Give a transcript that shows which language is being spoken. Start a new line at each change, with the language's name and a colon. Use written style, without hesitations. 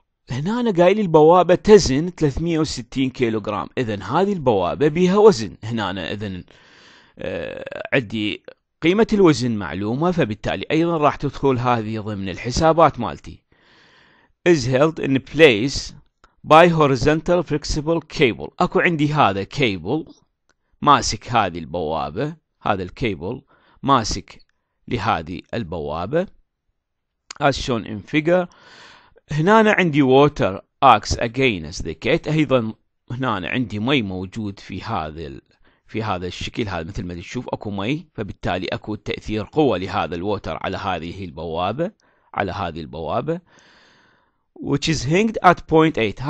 Arabic: هنا انا قايل البوابة تزن 360 كيلوغرام، اذا هذه البوابة بيها وزن. هنا انا اذا عندي قيمة الوزن معلومة، فبالتالي ايضا راح تدخل هذه ضمن الحسابات مالتي.
English: is held in place by horizontal flexible cable.
Arabic: اكو عندي هذا كيبل ماسك هذه البوابة، هذا الكيبل ماسك لهذه البوابة
English: as shown in figure.
Arabic: هنا أنا عندي
English: water acts against the gate،
Arabic: ايضا هنا أنا عندي مي موجود في هذا الشكل، هذا مثل ما تشوف اكو مي، فبالتالي اكو تأثير قوة لهذا الووتر على هذه البوابة، على هذه البوابة
English: which is hanged at point 8.